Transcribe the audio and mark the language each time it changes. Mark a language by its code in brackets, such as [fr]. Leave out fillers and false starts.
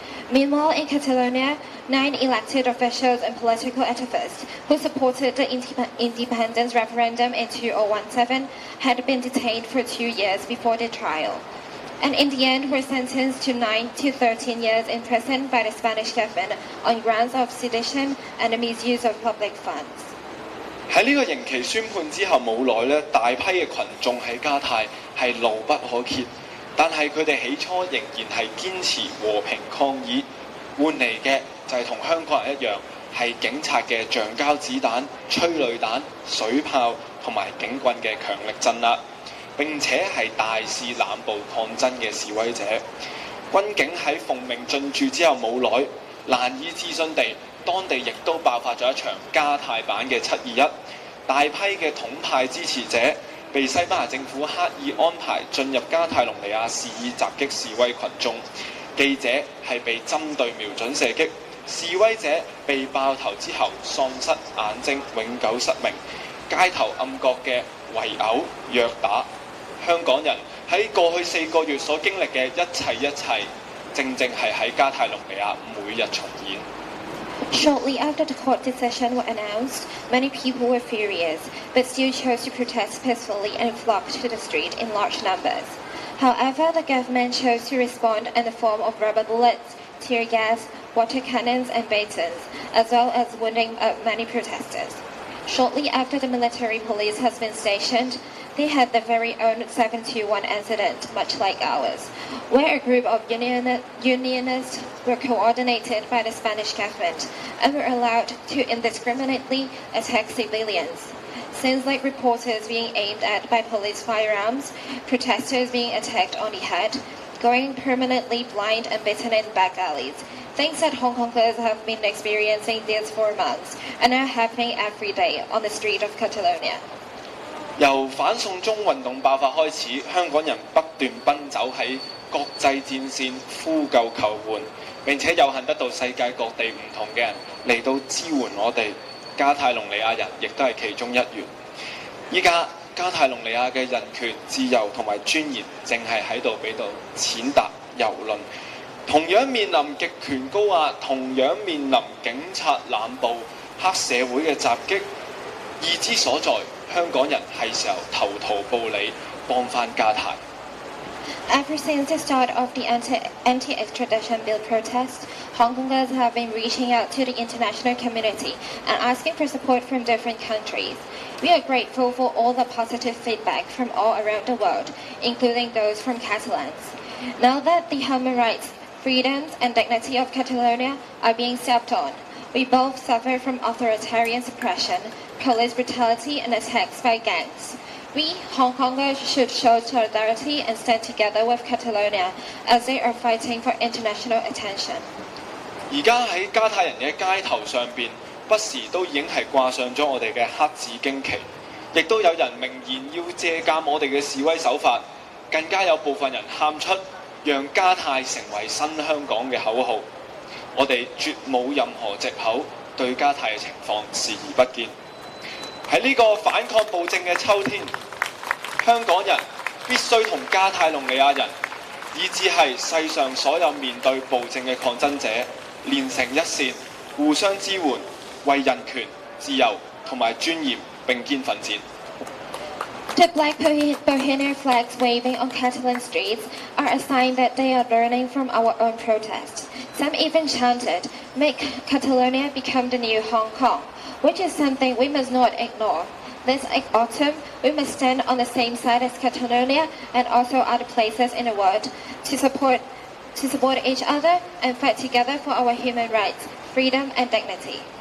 [en] Meanwhile, in Catalonia, 9 elected officials and political activists who supported the independence referendum in 2017 had been detained for 2 years before the trial. And in the end, were sentenced to 9 to 13 years in prison by the Spanish government on grounds of sedition and the misuse of public funds. [yue] 在这个刑期宣判之后没多久，大批的群众在加泰是怒不可遏，但是他们起初仍然是坚持和平抗议，换来的就是跟香港人一样，是警察的橡胶子弹、催泪弹、水炮和警棍的强力镇压，並且是大肆濫暴抗爭的示威者。軍警在奉命進駐之後冇耐，難以置信地，當地亦都爆發了一場加泰版的721。大批的統派支持者被西班牙政府刻意安排進入加泰隆尼亞示意襲擊示威群眾，記者是被針對瞄準射擊，示威者被爆頭之後喪失眼睛，永久失明，街頭暗角的圍毆、虐打，香港人在過去4個月所經歷的一切一切，正正是在加泰隆尼亞每日重演。 [en] Shortly after the court decision was announced, many people were furious, but still chose to protest peacefully and flocked to the street in large numbers. However, the government chose to respond in the form of rubber bullets, tear gas, water cannons, and batons, as well as wounding up many protesters. Shortly after the military police has been stationed, they had their very own 721 incident, much like ours, where a group of unionists were coordinated by the Spanish government and were allowed to indiscriminately attack civilians. Sounds like reporters being aimed at by police firearms, protesters being attacked on the head, going permanently blind and bitten in back alleys. Things that Hong Kongers have been experiencing these 4 months and are happening every day on the street of Catalonia. [yue] 由反送中運動爆發開始，香港人不斷奔走在國際戰線呼救求援，並且有幸得到世界各地不同的人來到支援我們，加泰隆尼亞人亦都是其中一員。現在加泰隆尼亞的人權、自由和尊嚴正是在這裡被踐踏、蹂躪，同樣面臨極權高壓，同樣面臨警察濫暴、黑社會的襲擊，意之所在，香港人是時候投桃報李，幫回加泰。 [en] Ever since the start of the anti-extradition bill protest, Hong Kongers have been reaching out to the international community and asking for support from different countries. We are grateful for all the positive feedback from all around the world, including those from Catalans. Now that the human rights, freedoms and dignity of Catalonia are being stepped on, we both suffer from authoritarian suppression, police brutality and attacks by gangs. We, Hong Kongers, should show solidarity and stand together with Catalonia as they are fighting for international attention. [yue] 现在在加泰人的街头上面，不时都已经是挂上了我们的黑字旌旗，亦都有人明言要借鉴我们的示威手法，更加有部分人喊出让加泰成为新香港的口号。我们绝无任何借口，对加泰的情况视而不见。在这个反抗暴政的秋天，香港人必须和加泰隆尼亚人以至是世上所有面对暴政的抗争者连成一线，互相支援，为人权、自由和尊严并肩奋战。 [en] The black bohemian flags waving on Catalan streets are a sign that they are learning from our own protest. Some even chanted, make Catalonia become the new Hong Kong. Which is something we must not ignore. This autumn, we must stand on the same side as Catalonia and also other places in the world to support each other and fight together for our human rights, freedom and dignity.